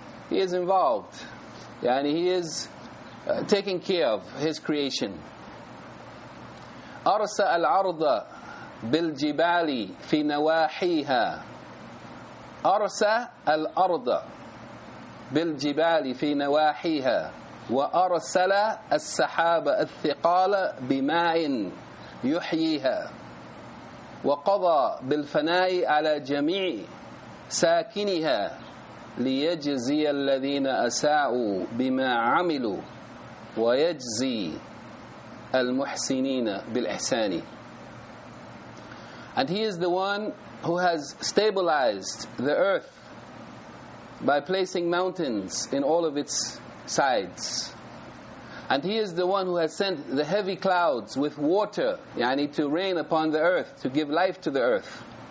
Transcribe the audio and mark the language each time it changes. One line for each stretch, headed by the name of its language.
English: He is involved. And he is taking care of his creation.
Arabic: أرسى الأرض بالجبال في نواحيها. أرسى الأرض بالجبال في نواحيها. وأرسل السحاب الثقال بماء يحييها. وقضى بالفناء على جميع ساكنها. ليجزي الذين أساءوا بما عملوا ويجزي المحسنين بالإحسان.
English: And he is the one who has stabilized the earth by placing mountains in all of its sides. And he is the one who has sent the heavy clouds with water, yani to rain upon the earth, to give life to the earth.